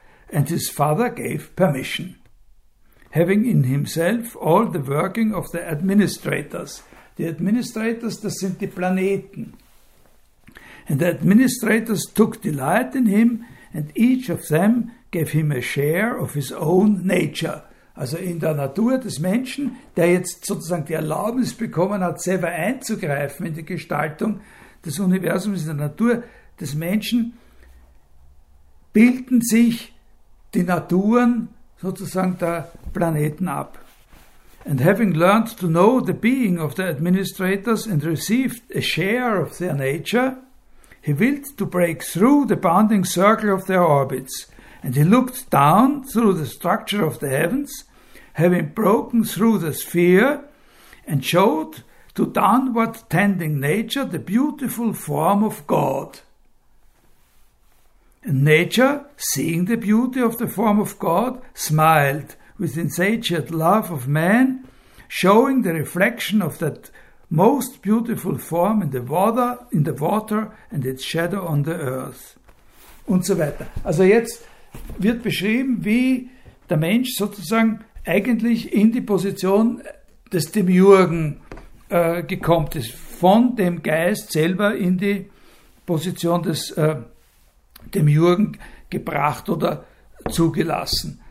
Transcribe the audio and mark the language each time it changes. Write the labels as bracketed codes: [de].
[en] And his father gave permission, having in himself all the working of the administrators. The administrators, [de] das sind die Planeten. [en] And the administrators took delight in him, and each of them gave him a share of his own nature. [de] Also in der Natur des Menschen, der jetzt sozusagen die Erlaubnis bekommen hat, selber einzugreifen in die Gestaltung des Universums, in der Natur des Menschen, bilden sich die Naturen sozusagen der Planeten ab. [en] And having learned to know the being of the administrators and received a share of their nature, He willed to break through the bounding circle of their orbits, and he looked down through the structure of the heavens, having broken through the sphere, and showed to downward tending nature the beautiful form of God. And nature, seeing the beauty of the form of God, smiled with insatiate love of man, showing the reflection of that most beautiful form in the water and its shadow on the earth. [de] Und so weiter. Also jetzt wird beschrieben, wie der Mensch sozusagen eigentlich in die Position des Demiurgen gekommen ist, von dem Geist selber in die Position des Demiurgen gebracht oder zugelassen.